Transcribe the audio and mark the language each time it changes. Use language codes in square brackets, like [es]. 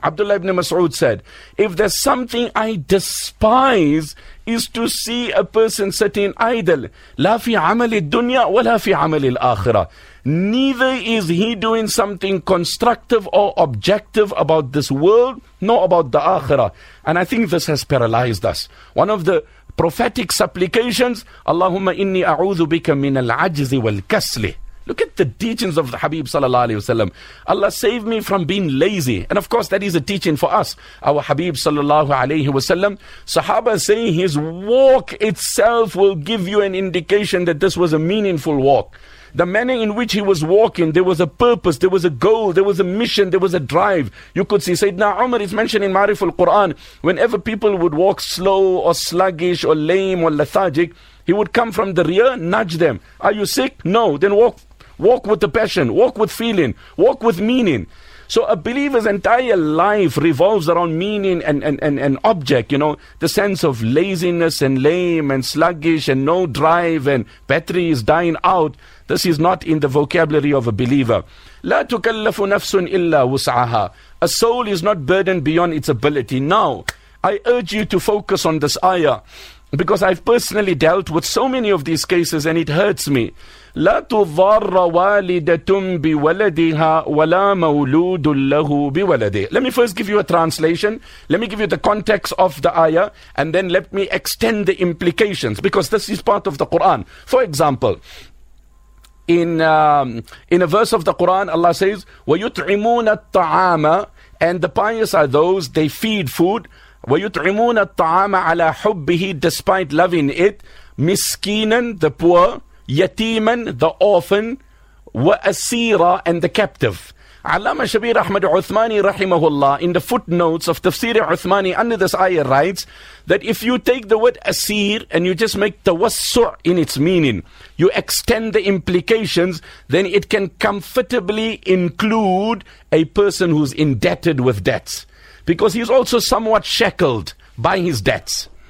[en] Abdullah ibn Mas'ud said, if there's something I despise, is to see a person sitting idle. [ar] لَا فِي عَمَلِ الدُّنْيَا وَلَا فِي عَمَلِ الْآخِرَةِ. [en] Neither is he doing something constructive or objective about this world, nor about the Akhirah. And I think this has paralyzed us. One of the prophetic supplications, [ar] اللهم إني أعوذ بك من العجز والكسل. [en] Look at the teachings of the Habib sallallahu alaihi wasallam. Allah save me from being lazy. And of course, that is a teaching for us, our Habib sallallahu alaihi wasallam. Sahaba say his walk itself will give you an indication that this was a meaningful walk. The manner in which he was walking, there was a purpose, there was a goal, there was a mission, there was a drive. You could see Sayyidina Umar is mentioned in Ma'riful Quran. Whenever people would walk slow or sluggish or lame or lethargic, he would come from the rear, nudge them. Are you sick? No. Then walk with the passion, walk with feeling, walk with meaning. So a believer's entire life revolves around meaning and object, you know, the sense of laziness and lame and sluggish and no drive and battery is dying out. This is not in the vocabulary of a believer. [ar] La tukallafu nafsun illa wus'aha. [en] A soul is not burdened beyond its ability. Now, I urge you to focus on this ayah, because I've personally dealt with so many of these cases and it hurts me. [ar] لا تضار والدتم بولدها ولا مولود له بولده. [en] Let me first give you a translation. Let me give you the context of the ayah, and then let me extend the implications, because this is part of the Quran. For example, in a verse of the Quran, Allah says, [ar] ويطعمون الطعام, [en] and the pious are those, they feed food. [ar] ويطعمون الطعام على حبه, [en] despite loving it. [ar] مسكينا, [en] the poor. [ar] Yatiman, [en] the orphan. [ar] Wa asira, [en] and the captive. Allama Shabir Ahmad Uthmani rahimahullah, in the footnotes of Tafsir Uthmani under this ayah, writes that if you take the word asir and you just make tawassu' in its meaning, you extend the implications, then it can comfortably include a person who's indebted with debts, because he's also somewhat shackled by his debts.